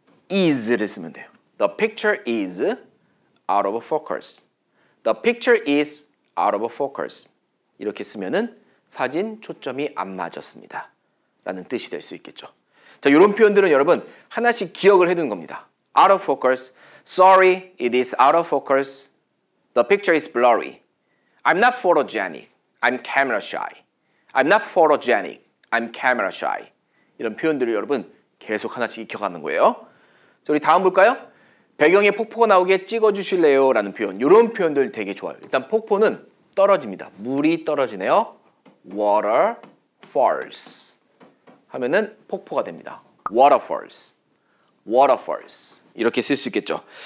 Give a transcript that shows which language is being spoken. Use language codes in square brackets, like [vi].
[en] is를 [ko] 쓰면 돼요. [en] the picture is out of focus. the picture is out of focus. [ko] 이렇게 쓰면은 사진 초점이 안 맞았습니다. 라는 뜻이 될 수 있겠죠. 자, 이런 표현들은 여러분 하나씩 기억을 해두는 겁니다. [en] out of focus, sorry, it is out of focus, the picture is blurry, I'm not photogenic, I'm camera shy, I'm not photogenic, I'm camera shy. [ko] 이런 표현들을 여러분 계속 하나씩 익혀가는 거예요. 자, 우리 다음 볼까요? 배경에 폭포가 나오게 찍어주실래요? 라는 표현, 이런 표현들 되게 좋아요. 일단 폭포는 떨어집니다. 물이 떨어지네요. [en] water falls. [ko] 하면은 폭포가 됩니다. waterfalls. waterfalls. 이렇게 쓸 수 있겠죠.